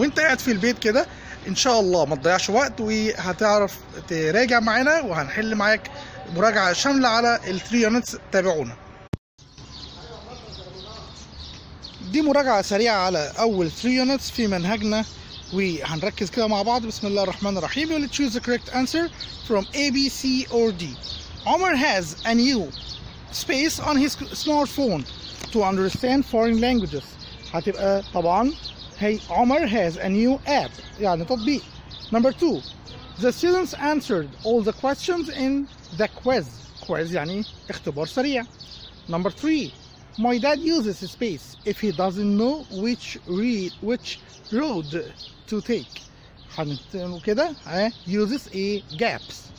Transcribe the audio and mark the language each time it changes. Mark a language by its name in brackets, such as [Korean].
[Arabic] وانت قاعد في البيت كده إن شاء الله ما تضيعش وقت وهتعرف تراجع معنا وهنحل معاك مراجعة شاملة على الـ 3 units. تابعونا. دي مراجعة سريعة على أول 3 units في منهجنا وهنركز كده مع بعض. بسم الله الرحمن الرحيم. [English] You will choose the correct answer from A, B, C or D. Omar has a new space on his smartphone to understand foreign languages. [Arabic] هتبقى طبعا هي [English] Omar has a new app [Arabic] يعني تطبيق. [English] Number 2, the students answered all the questions in the quiz. [Arabic] Quiz يعني اختبار سريع. [English] Number 3, my dad uses space if he doesn't know which road to take. [Arabic] هنتقول كده [English] uses a gaps.